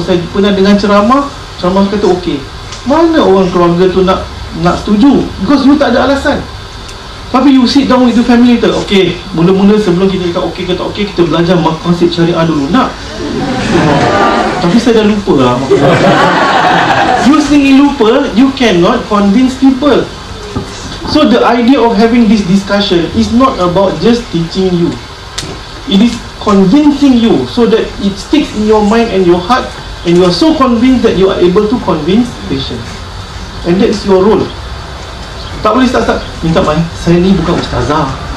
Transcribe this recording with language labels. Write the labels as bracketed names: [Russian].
[Malay] Saya pernah dengan ceramah, ceramah kata okey. Mana orang keluarga tu nak nak setuju? Because you tak ada alasan. Tapi [English] you sit down with the family, [Malay] tak? Okay, mula-mula sebelum kita cakap okay ke tak okay, kita belajar maqasid syariah dulu, nak? Tapi saya dah lupa lah. You sendiri lupa, [English] you cannot convince people. So the idea of having this discussion is not about just teaching you. It is convincing you so that it sticks in your mind and your heart and you are so convinced that you are able to convince patients. And that's your role. [Malay] Tak boleh start-start, minta maaf, saya ni bukan ustazah.